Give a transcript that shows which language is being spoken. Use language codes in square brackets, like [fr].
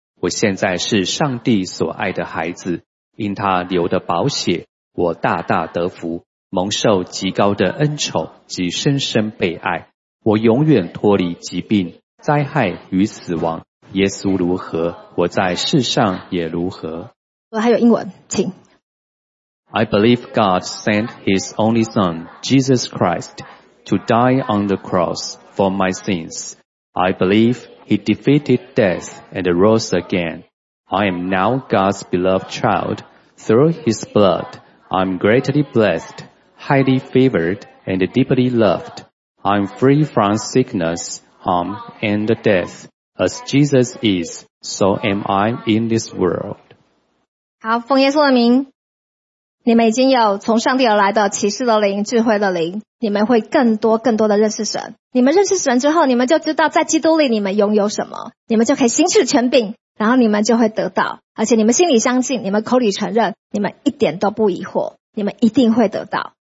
[zh] 我现在是上帝所爱的孩子，因他流的宝血，我大大得福，蒙受极高的恩宠及深深被爱。我永远脱离疾病、灾害与死亡。耶稣如何，我在世上也如何。我还有英文，请。 [en] I believe God sent His only Son, Jesus Christ. To die on the cross for my sins. I believe he defeated death and rose again. I am now God's beloved child. Through his blood, I'm greatly blessed, highly favored, and deeply loved. I'm free from sickness, harm, and death. As Jesus is, so am I in this world. [zh] 好，奉耶稣的名。你们已经有从上帝而来的启示的灵、智慧的灵，你们会更多更多的认识神。你们认识神之后，你们就知道在基督里你们拥有什么，你们就可以行使权柄，然后你们就会得到，而且你们心里相信，你们口里承认，你们一点都不疑惑，你们一定会得到。